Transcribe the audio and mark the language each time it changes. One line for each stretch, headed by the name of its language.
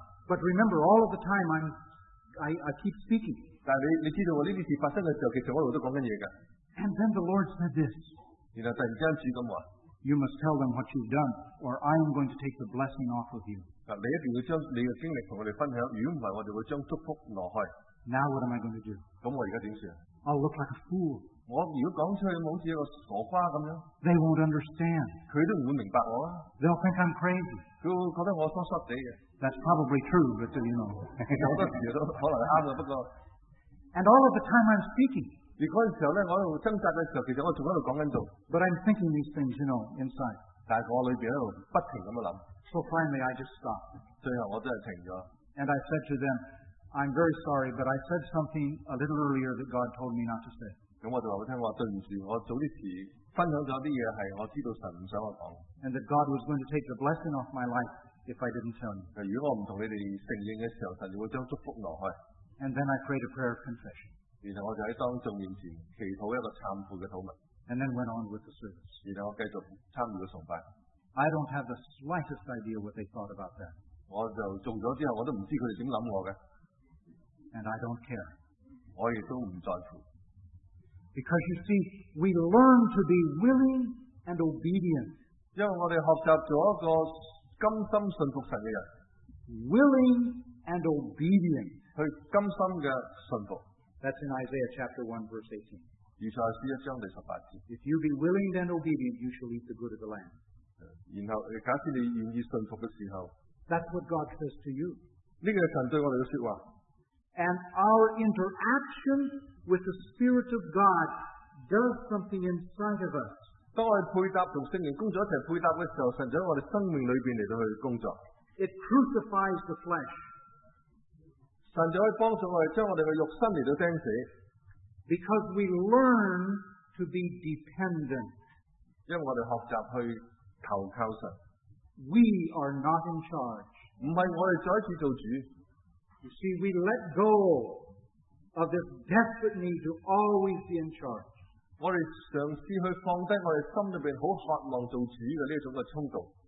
English: But remember, all of the time I keep speaking.
Cantonese: 但系你知道我呢件事发生嘅时候，其实我一路都讲紧嘢噶。
English: And then the Lord said this.
Cantonese: 然后突然之间主咁话。
English: You must tell them what you've done, or I am going to take the blessing off of you.
Cantonese: 你一定要将你嘅经历同我哋分享，如果唔系，我哋会将祝福挪开。
English: Now what am I going to do?
Cantonese: 咁我而家点算
English: ？I'll look like a fool.
Cantonese: 我如果讲出去，好似一个傻瓜咁样。
English: They won't understand.
Cantonese: 佢都唔会明白我啊。
English: They'll think I'm crazy.
Cantonese: 佢会觉得我疏疏地嘅。
English: That's probably true, but you know.
Cantonese: 好多时都可能啱啊，不过。
English: And all of the time I'm speaking.
Cantonese: 如果嗰时候咧，我喺度挣扎嘅时候，其实我仲喺度讲紧道。
English: But I'm thinking these things, you know, inside.
Cantonese: 但系我里边喺度不停咁样谂。
English: So finally, I just stopped.
Cantonese: 最后我真系停咗。
English: And I said to them, I'm very sorry, but I said something a little earlier that God told me not to say.
Cantonese: 咁我就话俾听，我对唔住，我早啲时分享咗啲嘢，系我知道神唔想我讲。
English: And that God was going to take the blessing off my life if I didn't tell you.
Cantonese: 如果我唔同你哋承认嘅时候，神就会将祝福挪开。
English: And then I prayed a prayer of confession.
Cantonese: 然后我就在当众面前祈祷一个忏悔的祷文。
English: And then went on with the service.
Cantonese: 然后我继续参与崇拜。
English: I don't have the slightest idea what they thought about that.
Cantonese: 我就中咗之后，我都唔知佢哋点谂我嘅。
English: And I don't care.
Cantonese: 我亦都唔在乎。
English: Because you see, we learn to be willing and obedient.
Cantonese: 因为我哋学习做一个甘心顺服神嘅人。
English: Willing and obedient.
Cantonese: 去甘心嘅顺服。
English: That's in Isaiah chapter 1, verse 18.
Cantonese: 以赛亚书第十八节。
English: If you be willing and obedient, you shall eat the good of the land.
Cantonese: 然后，假使你愿意顺服嘅时候
English: ，That's what God says to you.
Cantonese: 呢个系神对我哋嘅说话。
English: And our interaction with the Spirit of God does something inside of us.
Cantonese: 当我哋配搭同圣灵工作一齐配搭嘅时候，神就喺我哋生命里边嚟到去工作。
English: It crucifies the flesh.
Cantonese: 神就可以帮助我哋将我哋嘅肉身嚟到钉死
English: ，because we learn to be dependent，
Cantonese: 因为我哋学习去投靠神。
English: We are not in charge，
Cantonese: 唔系我哋再次做主。
English: You see， we let go of this desperate need to always be in charge。
Cantonese: 我哋尝试去放低我哋心里边好渴望做主嘅呢一种嘅冲动。